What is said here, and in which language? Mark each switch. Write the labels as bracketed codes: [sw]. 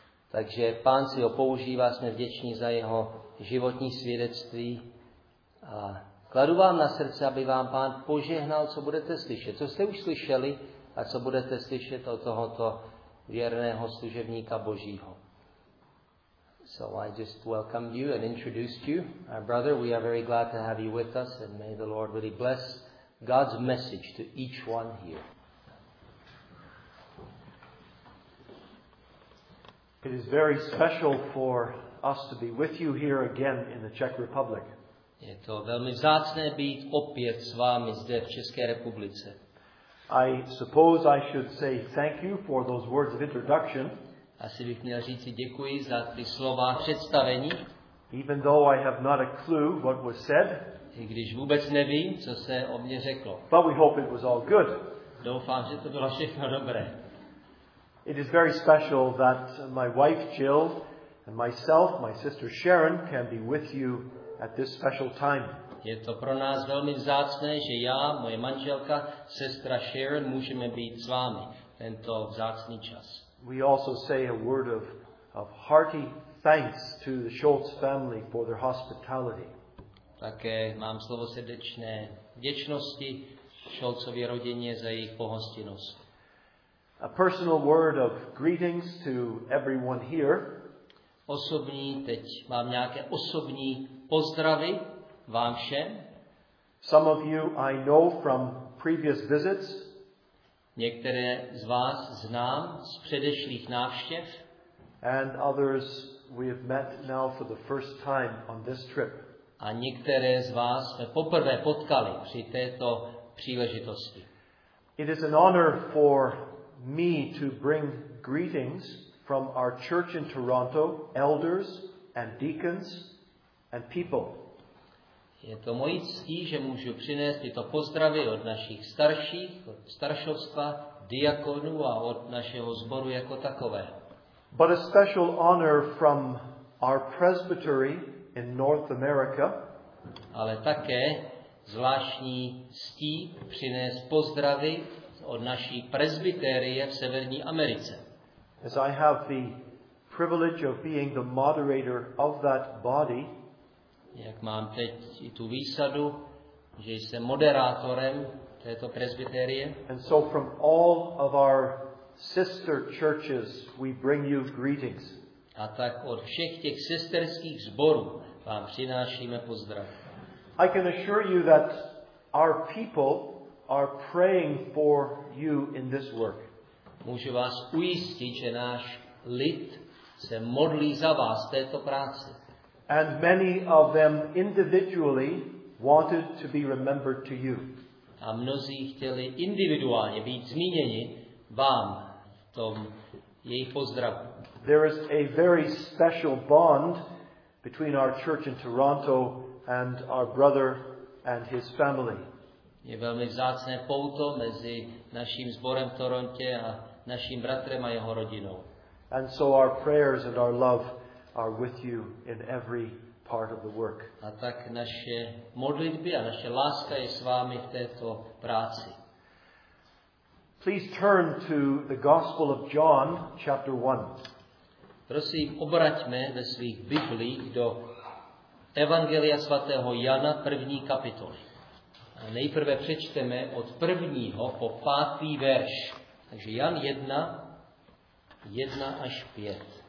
[cs] Takže Pán si ho používá, jsme vděční za jeho životní svědectví. A kladu vám na srdce, aby vám Pán požehnal, co budete slyšet. Co jste už slyšeli a co budete slyšet od tohoto věrného služebníka Božího. [en] So I just welcomed you and introduced you, our brother. We are very glad to have you with us, and may the Lord really bless God's message to each one here. It is very special for us to be with you here again in the Czech Republic. [cs] Je to velmi vzácné být opět s vámi zde v České republice. [en] I suppose I should say thank you for those words of introduction. [cs] Asi bych měl říci děkuji za ty slova představení. [en] Even though I have not a clue what was said. [cs] I když vůbec nevím, co se o mě řeklo. [en] But we hope it was all good. [cs] Doufám, že to bylo všechno dobré. [en] It is very special that my wife Jill and myself, my sister Sharon, can be with you at this special time. [cs] Je to pro nás velmi vzácné, že já, moje manželka, sestra Sharon, můžeme být s vámi tento vzácný čas. [en] We also say a word of hearty thanks to the Schultz family for their hospitality. [cs] Také mám slovo srdečné vděčnosti Schultzově rodině za jejich pohostinnost. [en] A personal word of greetings to everyone here. [cs] Osobní, teď mám nějaké osobní pozdravy vám všem. [en] Some of you I know from previous visits. [cs] Některé z vás znám z předešlých návštěv. [en] And others we have met now for the first time on this trip. [cs] A některé z vás jsme poprvé potkali při této příležitosti. [en] It is an honor for me to bring greetings from our church in Toronto, elders and deacons and people. [cs] Je to mojí ctí, že můžu přinést tyto pozdravy od našich starších, od staršovstva, diakonů a od našeho sboru jako takového. [en] But a special honor from our presbytery in North America. [cs] Ale také zvláštní ctí přinést pozdravy od naší presbytérie v Severní Americe. [en] As I have the privilege of being the moderator of that body, [cs] jak mám teď i tu výsadu, že jsem moderátorem této presbytérie. [en] And so from all of our sister churches we bring you greetings. [cs] A tak od všech těch sesterských sborů vám přinášíme pozdrav. [en] I can assure you that our people are praying for you in this work. [cs] Můžu vás ujistit, že náš lid se modlí za vás této práci. [en] And many of them individually wanted to be remembered to you. [cs] A mnozí chtěli individuálně být zmíněni vám v tom jejich pozdravu. [en] There is a very special bond between our church in Toronto and our brother and his family. [cs] Je velmi vzácné pouto mezi naším sborem v Torontě a naším bratrem a jeho rodinou. [en] And so our prayers and our love are with you in every part of the work. [cs] A tak naše modlitby a naše láska je s vámi v této práci. [en] Please turn to the Gospel of John, chapter 1. [cs] Prosím, obraťme ve svých Biblích do Evangelia svatého Jana, první kapitoly. A A nejprve přečteme od prvního po pátý verš. Takže Jan 1, 1 až 5.